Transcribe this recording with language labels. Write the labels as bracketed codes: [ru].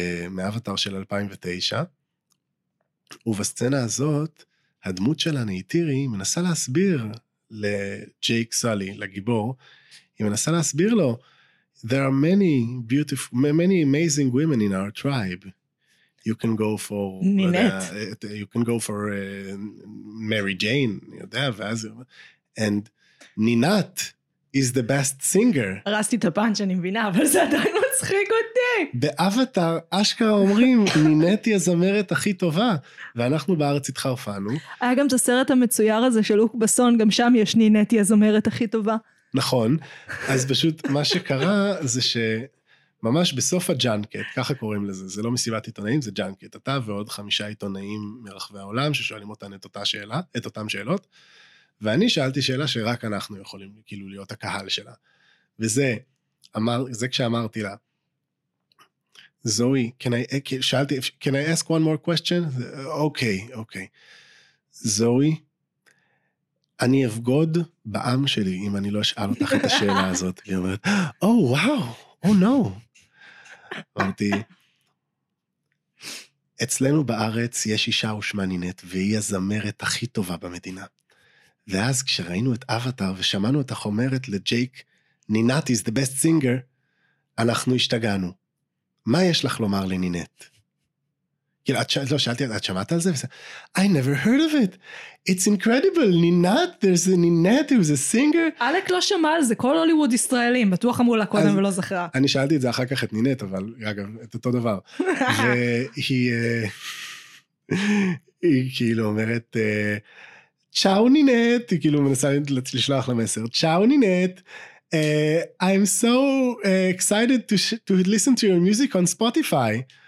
[he] מאבטאר של 2009, ובסצנה הזאת, הדמות של הנאיטירי מנסה להסביר, לג'ייק סאלי, לגיבור, היא מנסה להסביר לו, [en] there are many beautiful, many amazing women in our tribe. You can go for, Ninette. You can go for Mary Jane, you know, [he] ואז, [en] and Ninette is the best singer. [he] הרסתי את הפאנץ' אני מבינה, אבל זה עדיין מצחיק אותי. באבטאר, אשכרה אומרים, נינט היא הזמרת הכי טובה, ואנחנו בארץ התחרפנו. היה גם את הסרט המצויר הזה של לוק בסון, גם שם יש נינט היא הזמרת הכי טובה. נכון, אז פשוט מה שקרה זה שממש בסוף הג'אנקט, ככה קוראים לזה, זה לא מסיבת עיתונאים, זה ג'אנקט, אתה ועוד חמישה עיתונאים מרחבי העולם, ששואלים אותן את אותה שאלה, את אותם שאלות, ואני שאלתי שאלה שרק אנחנו יכולים כאילו להיות הקהל שלה, וזה זה כשאמרתי לה, זוהי, שאלתי, [en] can I ask one more question? [he] אוקיי, אוקיי. זוהי, אני אבגוד בעם שלי, אם אני לא אשאל אותך את השאלה הזאת. היא אומרת, [en] oh, wow, oh, no. [he] אמרתי, אצלנו בארץ יש אישה ושמנינת, והיא הזמרת הכי טובה במדינה. ואז כשראינו את אבטאר, ושמענו את החומרת לג'ייק, נינט [en] is the best singer, [he] אנחנו השתגענו. מה יש לך לומר לנינט? כאילו, לא, שאלתי, את שמעת על זה? [en] I never heard of it. It's incredible. נינט, there's a נינט who's a singer. [he] אלק לא שמע על זה, כל הוליווד ישראלים, בטוח אמרו לה קודם ולא זכרה. אני שאלתי את זה אחר כך את נינט, אבל אגב, את אותו דבר. והיא כאילו אומרת, צ'או נינט, היא כאילו מנסה לשלוח למסר, צ'או נינט, [en] I'm so excited to listen to your music on Spotify.